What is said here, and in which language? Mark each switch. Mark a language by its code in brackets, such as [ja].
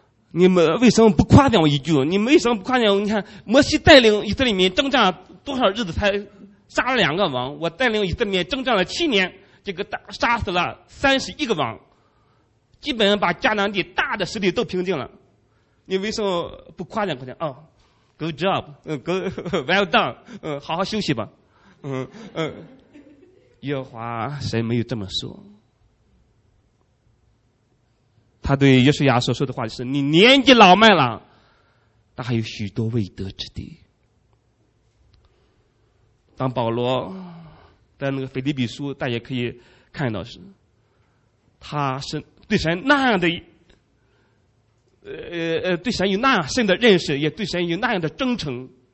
[zh] 你们为什么不夸奖我一句？你们为什么不夸奖我？你看摩西带领以色列民征战多少日子才杀了两个王，我带领以色列民征战了7年，这个杀死了31个王，基本上把迦南地大的势力都平静了，你为什么不夸奖？ [en] Good job， well done， [zh] 好好休息吧。耶和华神没有这么说，他对约书亚所说的话就是：你年纪老迈了，但还有许多未得之地。当保罗在那个腓立比书，大家可以看到是，他是对神那样的，对神有那样深的认识，也对神有那样的真诚。